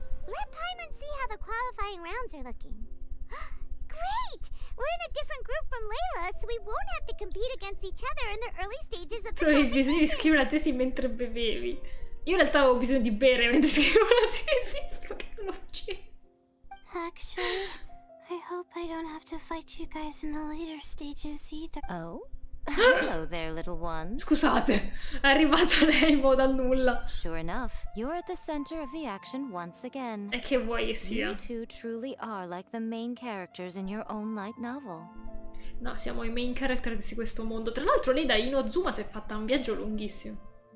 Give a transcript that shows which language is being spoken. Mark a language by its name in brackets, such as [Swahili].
[English] Let Paimon see how the qualifying rounds are looking. Great! We're in a different group from Layla, so we won't have to compete against each other in the early stages of the competition. [Italian] Cioè, bisogna scrivere la tesi mentre bevevi. Io in realtà avevo bisogno di bere mentre scrivevo la tesi, spero che non lo faccia. [English] Actually, I hope I don't have to fight you guys in the later stages either. Oh? Hello there, little ones. [Italian] Scusate, è arrivato lei mo dal nulla. [English] Sure enough, you're at the center of the action once again. [Italian] E che vuoi che sia? [English] You two truly are like the main characters in your own light novel. [Italian] No, siamo i main characters di questo mondo. Tra l'altro lei da Inozuma si è fatta un viaggio lunghissimo.